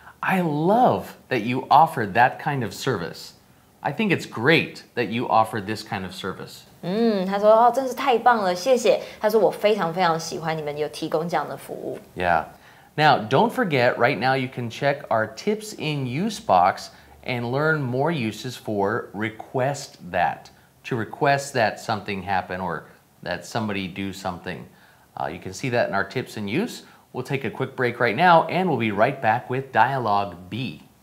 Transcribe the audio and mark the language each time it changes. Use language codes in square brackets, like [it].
[en] I love that you offer that kind of service. I think it's great that you offer this kind of service. [zh] 他说、哦、真是太棒了谢谢。他说我非常非常喜欢你们有提供这样的服务。 [en] Yeah. Now, don't forget, right now you can check our tips in use box and learn more uses for request that. To request that something happen or that somebody do something.、you can see that in our tips in use. We'll take a quick break right now and we'll be right back with Dialogue B.